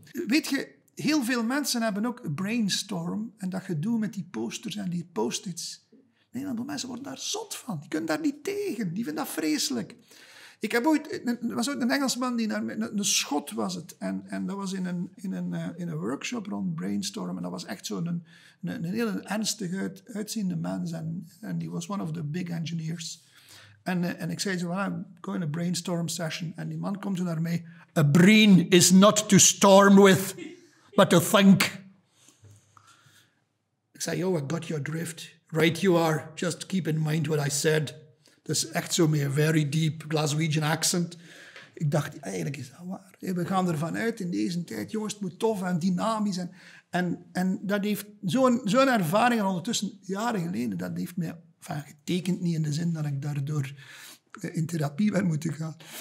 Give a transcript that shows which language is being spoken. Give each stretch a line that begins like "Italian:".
Dutch: Weet je, heel veel mensen hebben ook brainstorm en dat gedoe met die posters en die post-its. Nee, want mensen worden daar zot van. Die kunnen daar niet tegen. Die vinden dat vreselijk. Ik heb ooit... Er was ooit een Engelsman die naar... Een Schot was het. En dat was in een workshop rond brainstormen. En dat was echt zo'n een heel ernstig uitziende mens. En die was
English: one of the big engineers.
Dutch: En ik zei zo,
English: well, I'm going to brainstorm session.
Dutch: En die man komt toen naar mij.
English: A brain is not to storm with, but to think.
Dutch: Ik zei,
English: yo, I got your drift. Right you are, just keep in mind what I said.
Dutch: Dat is echt zo met een
English: very deep Glaswegian accent.
Dutch: Ik dacht, eigenlijk is dat waar. We gaan ervan uit in deze tijd, jongens, het moet tof en dynamisch. En dat heeft zo'n ervaring al ondertussen jaren geleden, dat heeft mij van getekend niet in de zin dat ik daardoor in therapie ben moeten gaan.